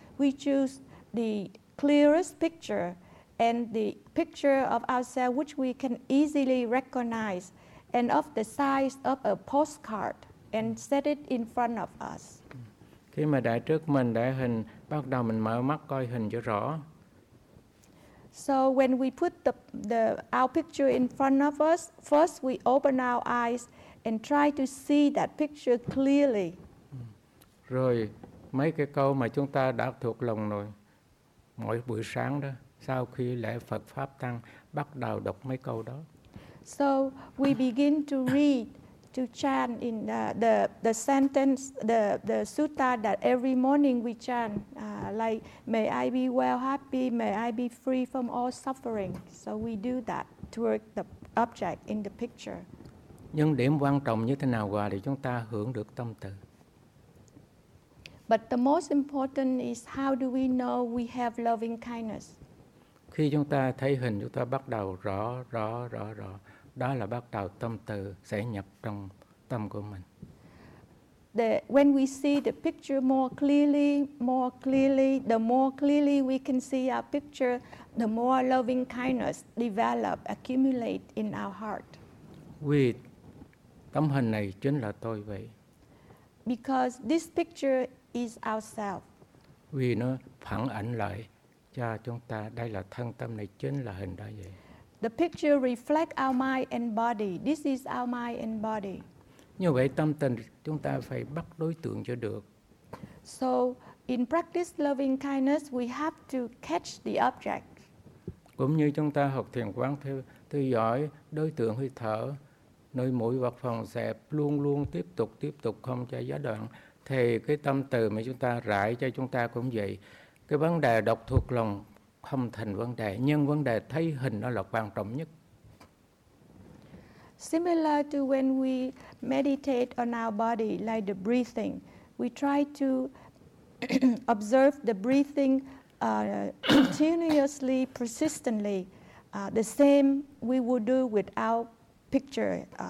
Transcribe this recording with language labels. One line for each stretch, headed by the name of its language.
English: We choose the clearest picture and the picture of ourselves which we can easily recognize and of the size of a postcard and set it in front of us.
Vietnamese: Khi mà đại trước mình đại hình, bắt đầu mình mở mắt coi hình cho rõ.
English: So when we put our picture in front of us, first we open our eyes and try to see that picture clearly.
Vietnamese: Rồi mấy cái câu mà chúng ta đã thuộc lòng rồi, mỗi buổi sáng đó, sau khi lễ Phật Pháp Tăng, bắt đầu đọc mấy câu đó.
English: So we begin to read to chant in the sentence, the sutta that every morning we chant, like, may I be well happy, may I be free from all suffering. So we do that toward the object in the picture.
Vietnamese: Nhưng điểm quan trọng như thế nào qua để chúng ta hưởng được tâm từ?
English: But the most important is how do we know we have loving kindness?
Vietnamese: Khi chúng ta thấy hình, chúng ta bắt đầu rõ. Đó là bắt đầu tâm từ sẽ nhập trong tâm của mình.
English: When we see the picture more clearly, the more clearly we can see our picture, the more loving kindness develop, accumulate in our heart.
Vietnamese: Vì tấm hình này chính là tôi vậy.
English: Because this picture is ourselves.
Vietnamese: Vì nó phản ảnh lại cho chúng ta, đây là thân tâm này chính là hình đó vậy.
English: The picture reflects our mind and body. This is our mind and body.
Vietnamese: Như vậy tâm tình chúng ta phải bắt đối tượng cho được.
English: So in practice loving kindness, we have to catch the object.
Vietnamese: Cũng như chúng ta học thiền quán theo dõi đối tượng hơi thở, nơi mũi hoặc phòng xẹp luôn luôn tiếp tục không cho gián đoạn, thì cái tâm từ mà chúng ta rải cho chúng ta cũng vậy. Cái vấn đề độc thuộc lòng không thành vấn đề, nhưng vấn đề thấy hình đó là quan trọng nhất.
English: Similar to when we meditate on our body, like the breathing, we try to observe the breathing continuously, persistently, the same we would do with our picture.